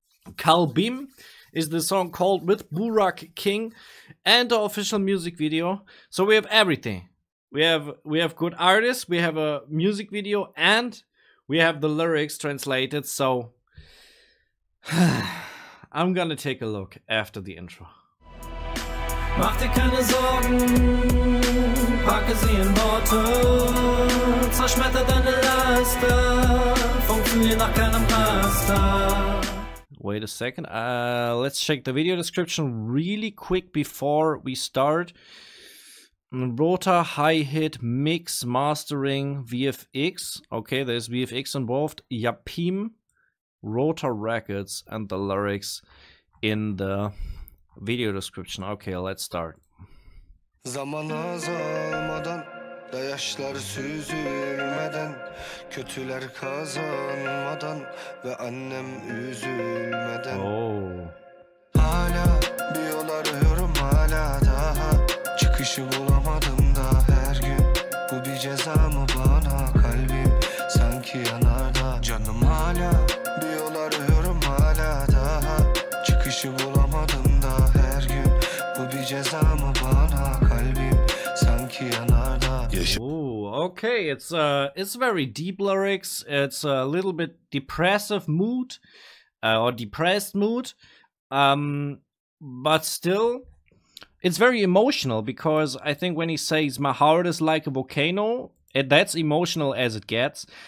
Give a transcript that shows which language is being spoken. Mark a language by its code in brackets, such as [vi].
[en] Kalbim is the song called with Burak King and the official music video. So we have everything. We have good artists, we have a music video, and we have the lyrics translated. So I'm gonna take a look after the intro. [de] Mach dir keine Sorgen, packe sie in Worte, zerschmetter deine Laster, funktionier nach keinem Master. [en] Wait a second, let's check the video description really quick before we start. ROTA Hi-Hit Mix Mastering VFX. Okay, there's VFX involved. Yapim, ROTA Records, and the lyrics in the video description. Okay, let's start. [tr] Zaman azalmadan, da yaşlar süzülmeden, kötüler kazanmadan, ve annem üzülmeden. Oh. Hala bir yol arıyorum hala daha, çıkışı bulamadım da her gün. Bu bir ceza mı bana, kalbim sanki yanarda. Canım hala bir yol arıyorum hala daha, çıkışı bulamadım da her gün. Bu bir ceza mı bana, kalbim sanki yanarda. [en] Ooh, okay, it's very deep lyrics. It's a little bit depressive mood, or depressed mood, but still, it's very emotional because I think when he says my heart is like a volcano, that's emotional as it gets.